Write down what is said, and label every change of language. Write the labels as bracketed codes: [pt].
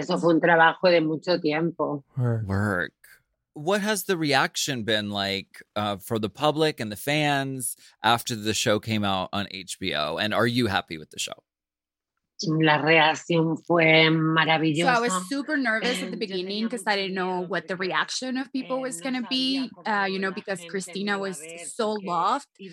[es] Eso fue un trabajo de mucho tiempo. [en] Work. What has the reaction been like for the public and the fans after the show came out on HBO? And are you happy with the show? [es] La reacción fue maravillosa. [en] So I was super nervous at the beginning because I didn't know what the reaction of people was going to be, you know, because Cristina was so loved.